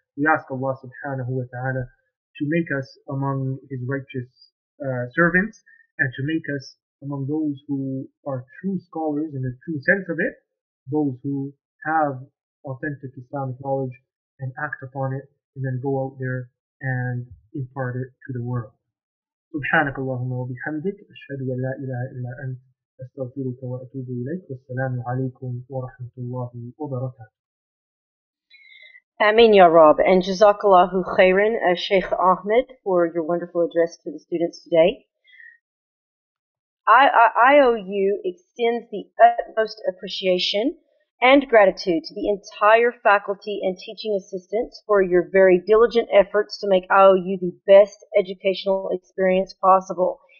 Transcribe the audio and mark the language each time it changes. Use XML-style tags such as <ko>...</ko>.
<en>We ask Allah subhanahu wa ta'ala to make us among His righteous servants, and to make us among those who are true scholars in the true sense of it, those who have authentic Islamic knowledge and act upon it and then go out there and impart it to the world.</en> <ar>سبحانك اللهم وبحمدك أشهد أن لا إله إلا أنت أستغفرك وأتوب إليك والسلام عليكم ورحمة الله وبركاته.</ar> <en>Amin ya Rab, and Jazakallahu khairan, Sheikh Ahmed, for your wonderful address to the students today. IOU extends the utmost appreciation and gratitude to the entire faculty and teaching assistants for your very diligent efforts to make IOU the best educational experience possible.</en>